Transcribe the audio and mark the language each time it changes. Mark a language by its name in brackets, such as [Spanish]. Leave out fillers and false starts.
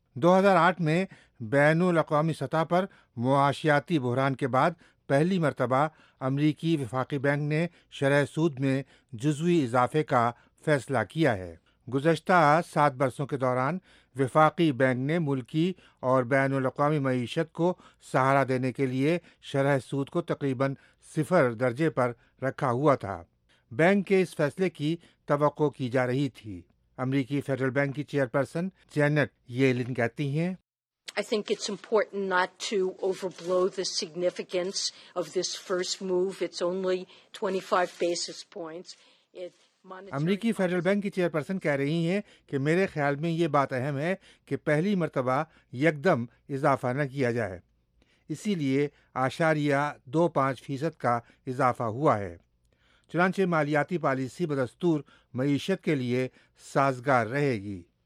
[Urdu] 2008 میں بین الاقوامی سطح پر معاشیاتی بحران کے بعد پہلی مرتبہ امریکی وفاقی بینک نے شرح سود میں جزوی اضافے کا فیصلہ کیا ہے۔ گزشتہ 7 برسوں کے دوران وفاقی بینک نے ملکی اور بین الاقوامی معیشت کو سہارا دینے کے لیے شرح سود کو تقریباً 0 درجے پر رکھا ہوا تھا۔ بینک کے اس فیصلے کی توقع کی جا رہی تھی۔ امریکی فیڈرل بینک کی چیئرپرسن جینٹ یلن کہتی ہیں، [English] I think it's important not to overblow the significance of this first move. It's only 25 basis points. [Urdu] امریکی فیڈرل بینک کی چیئرپرسن کہہ رہی ہیں کہ میرے خیال میں یہ بات اہم ہے کہ پہلی مرتبہ یکدم اضافہ نہ کیا جائے، اسی لیے 0.25% کا اضافہ ہوا ہے۔ چنانچہ مالیاتی پالیسی بدستور معیشت کے لیے سازگار رہے گی۔